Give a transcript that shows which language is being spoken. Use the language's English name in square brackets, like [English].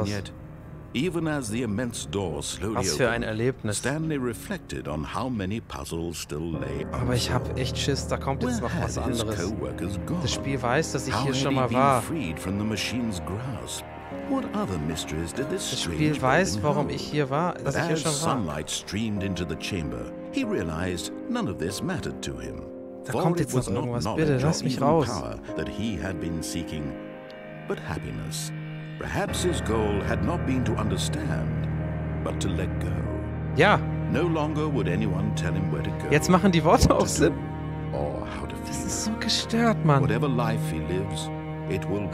[English] And yet, even as the immense door slowly [German] was für ein Erlebnis. [English] Stanley reflected on how many puzzles still lay. [German] Aber ich habe echt Schiss, da kommt jetzt noch was anderes. Das Spiel weiß, dass ich hier schon mal war. Das Spiel weiß, warum ich hier war, dass ich hier schon war. [English] Sunlight streamed into the chamber. He realized none of this mattered to him. [German] Da kommt jetzt noch irgendwas, bitte lass mich raus. [English] That he had been seeking but happiness. Perhaps his goal had not been to understand, but to let go. [German] Ja. [English] No longer would anyone tell him where to go. [German] Jetzt machen die Worte auch Sinn. [English] Or how to [German] feel. Das ist so gestört, Mann. [English] Whatever life he lives, it will be.